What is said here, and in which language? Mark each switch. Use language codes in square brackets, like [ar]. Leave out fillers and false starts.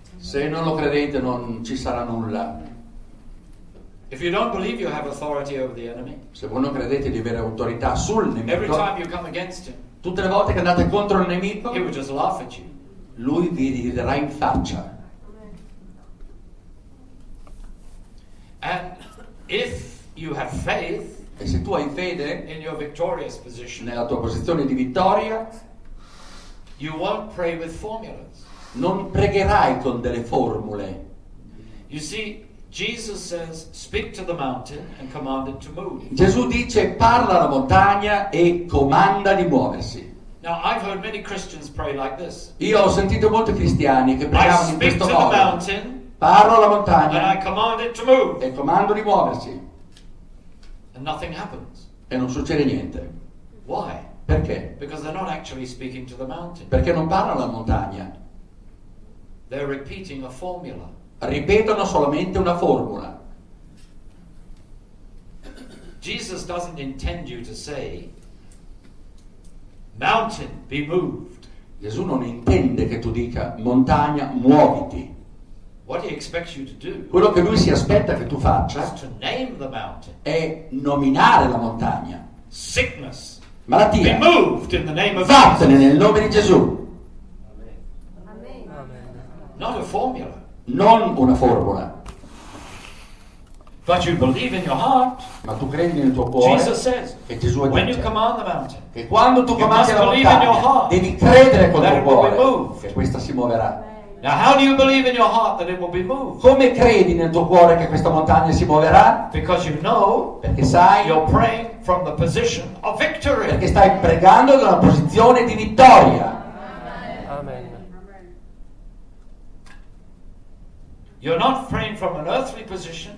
[it] Se non lo credete, non ci sarà nulla. [en] If you don't believe you have authority over the enemy, [it] se voi non credete di avere autorità sul nemico, [en] every time you come against him, [it] tutte le volte che andate contro il nemico, [en] he will just laugh at you. [it] Lui vi riderà in faccia. [en] And if you have faith, [it] e se tu hai fede [en] in your victorious position, [it] nella tua posizione di vittoria, [en] you won't pray with formulas. [it] Non pregherai con delle formule. [en] You see, Jesus says, speak to the mountain and command it to move. [it] Gesù dice, parla alla montagna e comanda di muoversi. [en] Now, I've heard many Christians pray like this. [it] Io ho sentito molti cristiani che pregavano in questo modo. [en] I speak to the mountain. [it] Parlo alla montagna. [en] And I command it to move. [it] E comando di muoversi. [en] And nothing happens. [it] E non succede niente. [en] Why? [it] Perché? [en] Because they're not actually speaking to the mountain. [it] Perché non parlano alla montagna. [en] They're repeating a formula. [it] Ripetono solamente una formula. [en] Jesus doesn't intend you to say, "Mountain, be moved." [it] Gesù non intende che tu dica, montagna, muoviti. [en] What he expects you to do? [it] Quello che lui si aspetta che tu faccia. [en] Is to name the mountain. [it] È nominare la montagna. [en] Sickness. [it] Malattia. [en] Be moved in the name of. [it] Vattene nel nome di Gesù. Amen. Amen. [en] Not a formula. [it] Non una formula. [en] But you believe in your heart. [it] Ma tu credi nel tuo cuore. [en] Jesus says. [it] Che Gesù ha detto. [en] When you command the mountain. [it] Che quando tu comandi la montagna. Devi credere con il tuo cuore. Che questa si muoverà. [en] Now how do you believe in your heart that it will be moved? [it] Come credi nel tuo cuore che questa montagna si muoverà? [en] Because you know. [it] Perché sai. [en] You're praying from the position of victory. [it] Perché stai pregando da una posizione di vittoria. Amen. [en] You're not praying from an earthly position.